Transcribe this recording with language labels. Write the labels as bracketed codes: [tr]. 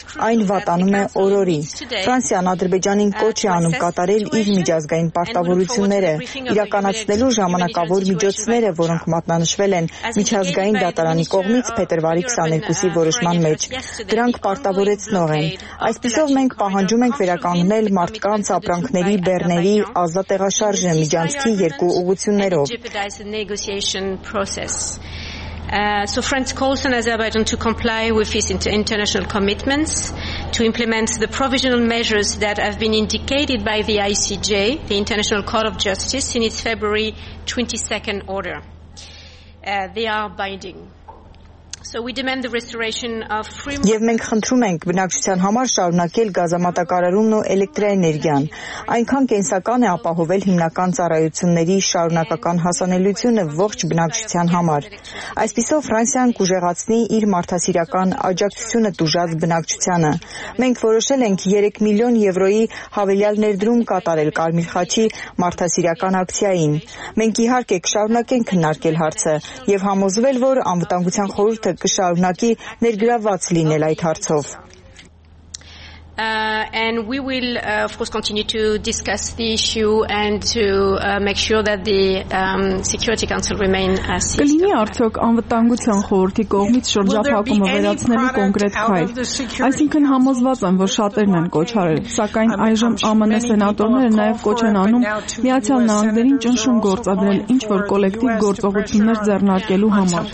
[hy] Այն վատանում է օրորի։ Ֆրանսիան Ադրբեջանին կոչ է անում կատարել իր միջազգային պարտավորությունները, իրականացնելու ժամանակավոր միջոցները, որոնք մատնանշվել են միջազգային դատարանի կողմից փետրվարի 22-ի որոշման մեջ։ Դրանք պարտավորեցնող են։ Այսպիսով մենք պահանջում ենք վերականգնել մարդկանց ապրանքների բեռների ազատ տեղաշարժը միջանցքի երկու ուղություններով։ [en] So France calls on Azerbaijan to comply with its international commitments, to implement the provisional measures that have been indicated by the ICJ, the International Court of Justice, in its February 22nd order. They are binding. So we demand the restoration of free. [hy] Եվ մենք խնդրում ենք բնակչության համար շարունակել գազամատակարարումն ու էլեկտրաէներգիան։ Այնքան կենսական է ապահովել հիմնական ծառայությունների շարունակական հասանելիությունը ողջ բնակչության համար։ Այսպիսով Ֆրանսիան կուժեղացնի իր մարդասիրական աջակցությունը տուժած բնակչությանը։ Մենք որոշել ենք 3 միլիոն եվրոյի հավելյալ ներդրում կատարել Կարմիր խաչի մարդասիրական ակցիային։ Մենք իհարկե կշարունակենք քննարկել հարցը եւ համոզվել, որ անվտանգության խորհուրդը կշարունակի ներգրաված լինել այդ հարցով։ [en] And we will, of course, continue to discuss the issue and to make sure that the Security Council remain as it is. [hy] Կլինի արդյոք անվտանգության խորհրդի կողմից շրջափակումը վերացնելու կոնկրետ քայլ. Այսինքն համոզված եմ, որ շատերն են կոչ արել, սակայն այժմ ԱՄՆ սենատորները նաև կոչ են անում Միացյալ Նահանգներին ճնշում գործադրել ինչ-որ կոլեկտիվ գործողություններ ձեռնարկելու համար։